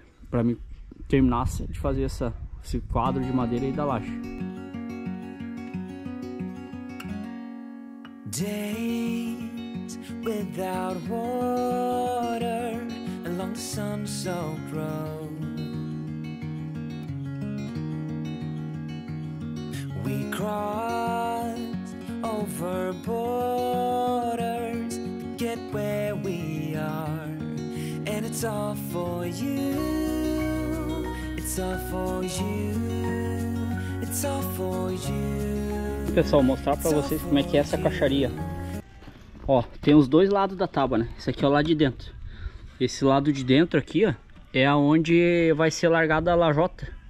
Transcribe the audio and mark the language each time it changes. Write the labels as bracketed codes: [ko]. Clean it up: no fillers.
[pt] Pra mim terminar de fazer esse quadro de madeira aí da laje. [en] Days without water along the sun's old road. We crossed over borders to get where we are, and it's all for you. It's all for you. It's all for you. [pt] Pessoal, mostrar pra vocês como é que é essa caixaria. Ó, tem os dois lados da tábua, né? Esse aqui é o lado de dentro. Esse lado de dentro aqui, ó, é aonde vai ser largada a lajota.